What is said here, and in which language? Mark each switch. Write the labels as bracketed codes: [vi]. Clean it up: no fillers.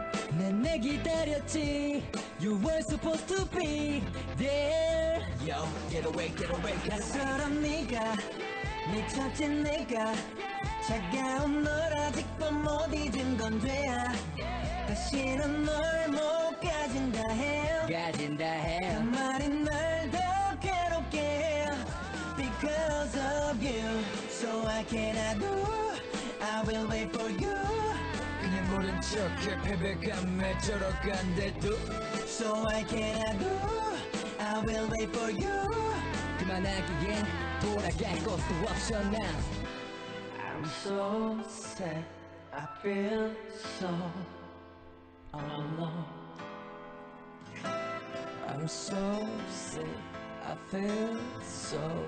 [ko] 내내 기다렸지 [en] You were supposed to be there Yo, get away, get away, get away [ko] 낯설은 네가 미쳤진 내가 차가운 널 아직도 못 잊은 건 돼야 다시는 널 못 가진다 해요 가진다 해요 그 말이 날 더 괴롭게 해요 [en] Because of you So what can I do? I will wait for you [ko] 그냥 모른 척해 패배감에 절어간대도 [en] So what can I do? I will wait for you [ko] 그만하기엔 돌아갈 곳도 없어 난 [en] I'm so sad I feel so alone I'm so sick I feel so